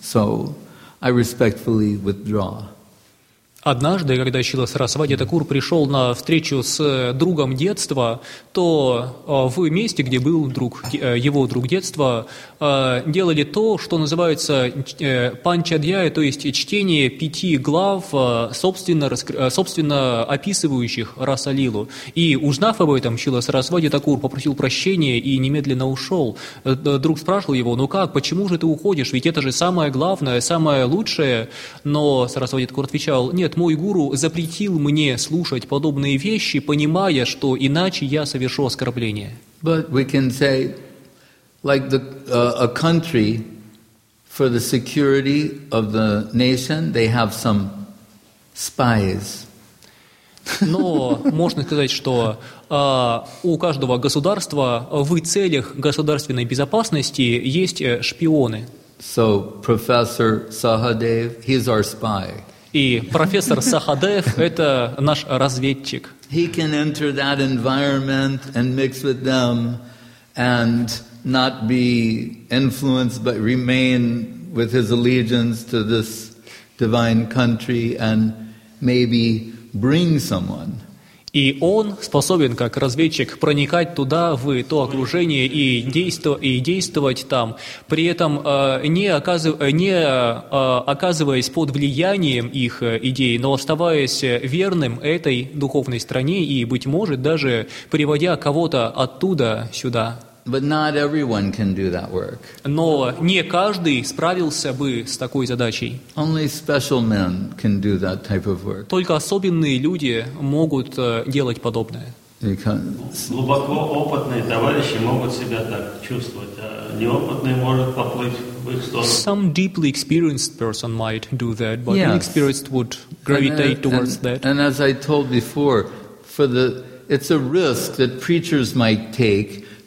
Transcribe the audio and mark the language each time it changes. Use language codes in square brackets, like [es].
[en] So I respectfully withdraw." [ru] Однажды, когда Шрила Сарасвати Такур пришел на встречу с другом детства, то в месте, где был друг, его друг детства, делали то, что называется панчадьяя, то есть чтение пяти глав, собственно описывающих Расалилу. И узнав об этом, Шрила Сарасвати Такур попросил прощения и немедленно ушел. Друг спрашивал его: «Ну как, почему же ты уходишь? Ведь это же самое главное, самое лучшее». Но Сарасвати Такур отвечал: «Нет, мой гуру запретил мне слушать подобные вещи, понимая, что иначе я совершу оскорбление». [en] But we can say, like the a country, for the security of the nation, they have some spies. [ru] Но можно сказать, что у каждого государства в целях государственной безопасности есть шпионы. [en] So Professor Sahadev, he's our spy. [ru] И профессор Сахадев — это наш разведчик. [en] He can enter that environment and mix with them and not be influenced, but remain with his allegiance to this divine country and maybe bring someone. [ru] И он способен, как разведчик, проникать туда, в то окружение, и действовать там, при этом не оказываясь под влиянием их идей, но оставаясь верным этой духовной стране и, быть может, даже приводя кого-то оттуда сюда. [en] But not everyone can do that work. [ru] Но не каждый справился бы с такой задачей. [en] Only special men can do that type of work. [ru] Только особенные люди могут делать подобное. Глубоко опытные товарищи могут себя так чувствовать, а неопытный может поплыть в их сторону. [en] Some deeply experienced person might do that, but inexperienced would gravitate towards that. And as I told before, it's a risk that preachers might take.